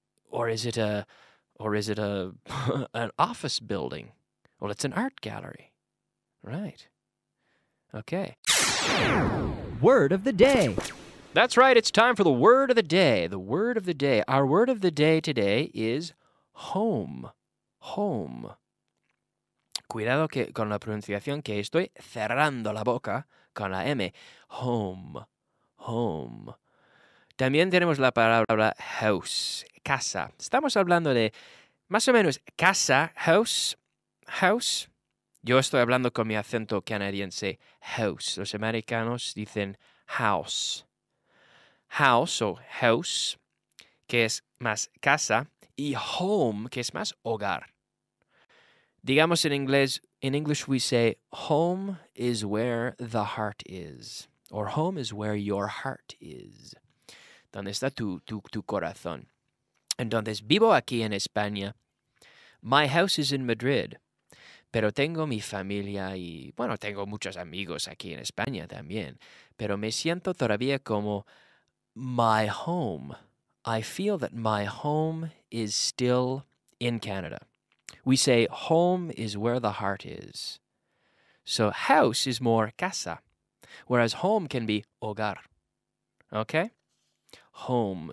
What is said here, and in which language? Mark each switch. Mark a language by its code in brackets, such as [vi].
[en] Or is it an office building? Well, it's an art gallery. Right. Okay. Word of the day. That's right. It's time for the word of the day. The word of the day. Our word of the day today is home. Home. [es] Cuidado que con la pronunciación, que estoy cerrando la boca con la M. [en] Home. Home. [es] También tenemos la palabra house. Casa. Estamos hablando de más o menos casa, house, house. Yo estoy hablando con mi acento canadiense, house. Los americanos dicen house. House o house, que es más casa, y home, que es más hogar. Digamos en inglés, [en] in English we say, home is where the heart is. Or home is where your heart is. [es] ¿Dónde está tu corazón? Entonces, vivo aquí en España. [en] My house is in Madrid. [es] Pero tengo mi familia y, bueno, tengo muchos amigos aquí en España también. Pero me siento todavía como [en] my home. I feel that my home is still in Canada. We say home is where the heart is. So house is more casa, whereas home can be hogar. Okay? Home.